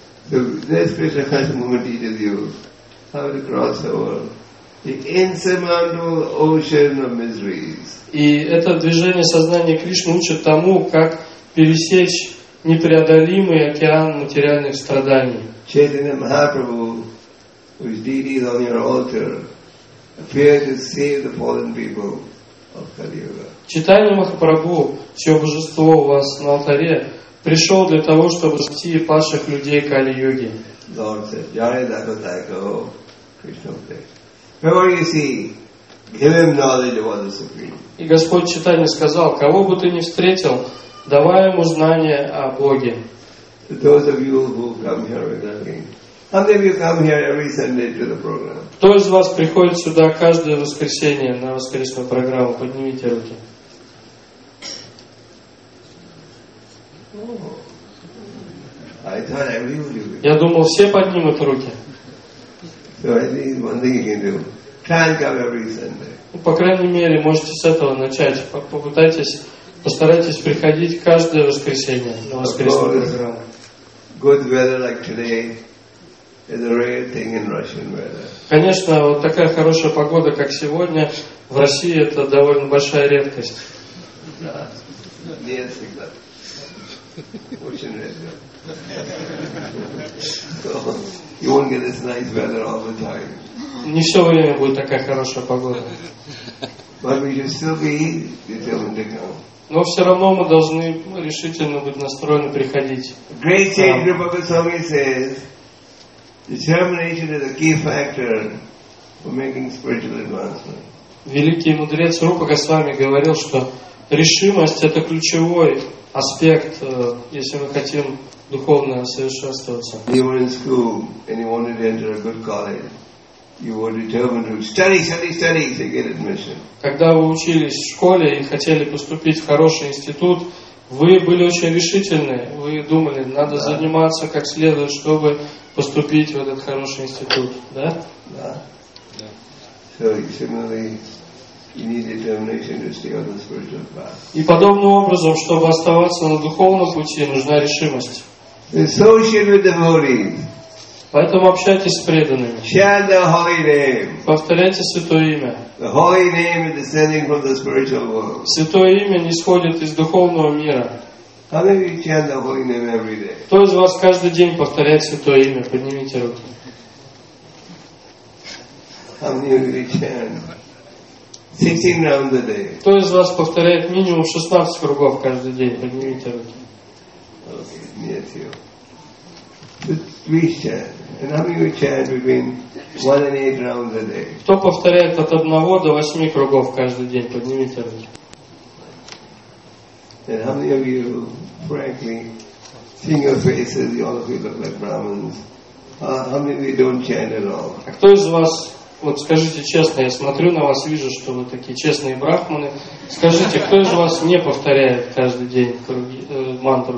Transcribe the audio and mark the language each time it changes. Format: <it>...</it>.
<en>The spiritual consciousness is with you. How to cross the world. The insurmountable ocean of miseries.</en> <ru>И это движение сознания Кришны учит тому, как пересечь непреодолимый океан материальных страданий.</ru> <en>Chaitanya Mahaprabhu, whose deity is on your altar, appeared to save the fallen people of Kali Yuga.</en> <ru>Chaitanya Mahaprabhu, чье божество у вас на алтаре, пришел для того, чтобы спасти падших людей Кали Юги.</ru> <en>Lord said, "Jai Dattatayaka, Krishna Prasad." Whoever you see, give him knowledge of the Supreme.</en> <ru>И Господь Читания сказал: кого бы ты ни встретил, давай ему знание о Боге.</ru> <en>To those of you who come here regularly, how many of you come here every Sunday to the program?</en> <ru>Кто из вас приходит сюда каждое воскресенье на воскресную программу? Поднимите руки.</ru> <en>Oh, I thought every one of you.</en> <ru>Я думал, все поднимут руки.</ru> <en>So at least one thing you can do. Try and come every Sunday.</en> <ru>По крайней мере, можете с этого начать. Постарайтесь приходить каждое воскресенье на воскресную программу.</ru> <en>Good weather like today is a rare thing in Russian weather.</en> <ru>Конечно, вот такая хорошая погода, как сегодня, в России это довольно большая редкость. Да. Нет, всегда. Очень редко.</ru> <en>You won't get this nice weather all the time.</en> <ru>Не все время будет такая хорошая погода.</ru> <en>But we should still be determined to come.</en> <ru>Но все равно мы должны решительно быть настроены приходить.</ru> <en>Great Saint Rupa Goswami says, Determination is a key factor for making spiritual advancement.</en> <ru>Великий мудрец Рупа Госвами говорил, что решимость — это ключевой аспект, если мы хотим духовно совершенствоваться.</ru> <en>You were in school and you wanted to enter a good college. You were determined to study to get admission.</en> <ru>Когда вы учились в школе и хотели поступить в хороший институт, вы были очень решительны. Вы думали, надо заниматься как следует, чтобы поступить в этот хороший институт, да? Да.</ru> <en>So similarly, you need determination to stay on the spiritual path.</en> <ru>И подобным образом, чтобы оставаться на духовном пути, нужна решимость.</ru> <en>Associate with devotees.</en> <ru>Поэтому общайтесь с преданными.</ru> <en>Chant the holy name.</en> <ru>Повторяйте святое имя.</ru> <en>The holy name is descending from the spiritual world.</en> <ru>Святое имя нисходит из духовного мира.</ru> <en>How many of you chant the holy name every day?</en> <ru>Кто из вас каждый день повторяет святое имя? Поднимите руку.</ru> <en>How many of you chant 16 rounds a day?</en> <ru>Кто из вас повторяет минимум 16 кругов каждый день? Поднимите руки.</ru> <en>Нет, you. We chant. And how many we chant between 1 and 8 rounds a day?</en> <ru>Кто повторяет от 1 до 8 кругов каждый день? Поднимите руки.</ru> <en>And how many of you, frankly, seeing your faces, all of you look like Brahmins. How many of you don't chant at all?</en> <ru>А кто из вас, вот скажите честно, я смотрю на вас, вижу, что вы такие честные брахманы. Скажите, кто из вас не повторяет каждый день круги, мантру?</ru>